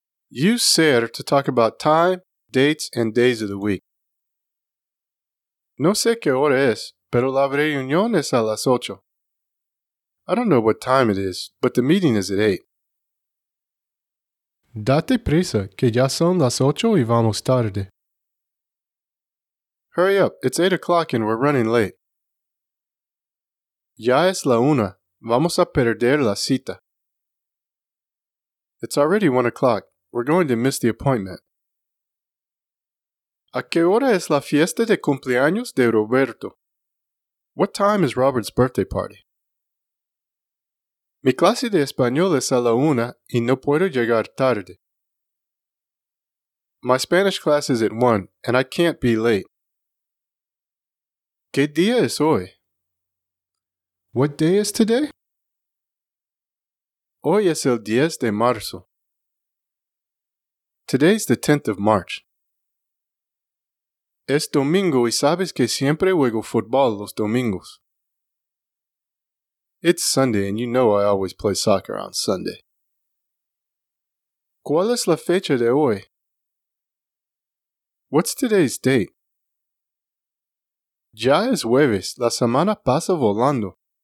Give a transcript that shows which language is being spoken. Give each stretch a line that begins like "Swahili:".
English: Use ser to talk about time, dates, and days of the week.
Spanish: No sé qué hora es, pero la reunión es a las ocho.
English: I don't know what time it is, but the meeting is at 8.
Spanish: Date prisa, que ya son las ocho y vamos tarde.
English: Hurry up, it's 8 o'clock and we're running late.
Spanish: Ya es la una, vamos a perder la cita.
English: It's already 1 o'clock, we're going to miss the appointment.
Spanish: ¿A qué hora es la fiesta de cumpleaños de Roberto?
English: What time is Robert's birthday party?
Spanish: Mi clase de español es a la una y no puedo llegar tarde.
English: My Spanish class is at 1 and I can't be late.
Spanish: ¿Qué día es hoy?
English: What day is today?
Spanish: Hoy es el 10 de marzo.
English: Today's the 10th of March.
Spanish: Es domingo y sabes que siempre juego fútbol los domingos.
English: It's Sunday and you know I always play soccer on Sunday.
Spanish: ¿Cuál es la fecha de hoy?
English: What's today's date?
Spanish: Ya es jueves, la semana pasa volando.